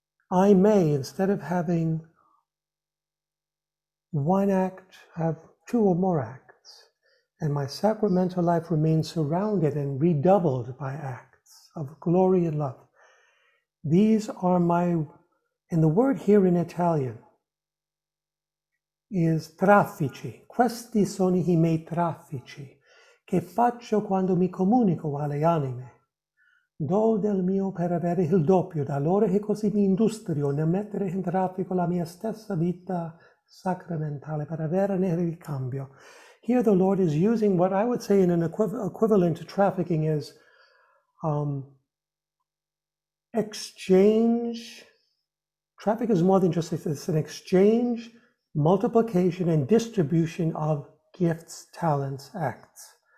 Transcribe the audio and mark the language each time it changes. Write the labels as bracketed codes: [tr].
[en] I may, instead of having one act, have two or more acts, and my sacramental life remains surrounded and redoubled by acts of glory and love. These are my, and the word here in Italian is traffici. [it] Questi sono I miei traffici, che faccio quando mi comunico alle anime. Do del mio per avere il doppio, da loro che così mi industrio nel mettere in traffico la mia stessa vita sacramentale per averne il ricambio. [en] Here the Lord is using what I would say in an equivalent to trafficking is exchange. Traffic is more than just it's an exchange, multiplication, and distribution of gifts, talents, acts.